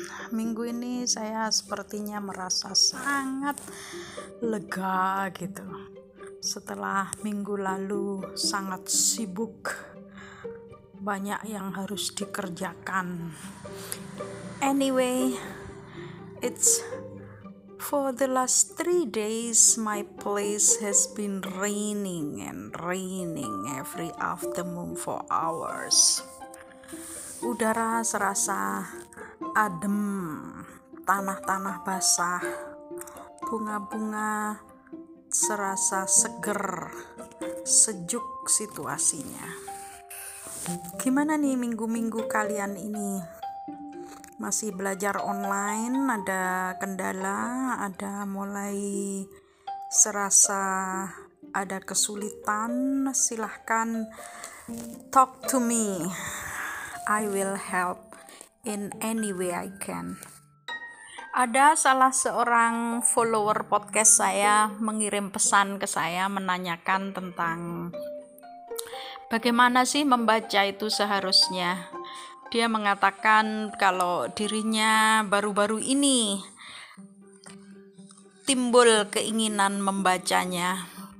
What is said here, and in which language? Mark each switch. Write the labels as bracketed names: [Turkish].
[Indonesian] Minggu ini saya sepertinya merasa sangat lega gitu. Setelah minggu lalu sangat sibuk, banyak yang harus dikerjakan. [English] Anyway, it's for the last 3 days my place has been raining and raining every afternoon for hours. [Indonesian] Udara serasa adem, tanah-tanah basah, bunga-bunga serasa seger, sejuk situasinya. Gimana nih minggu-minggu kalian ini? Masih belajar online, ada kendala, ada mulai serasa ada kesulitan, silahkan [English] talk to me. I will help in any way I can. [Indonesian] Ada salah seorang follower podcast saya mengirim pesan ke saya menanyakan tentang bagaimana sih membaca itu seharusnya. Dia mengatakan kalau dirinya baru-baru ini timbul keinginan membacanya.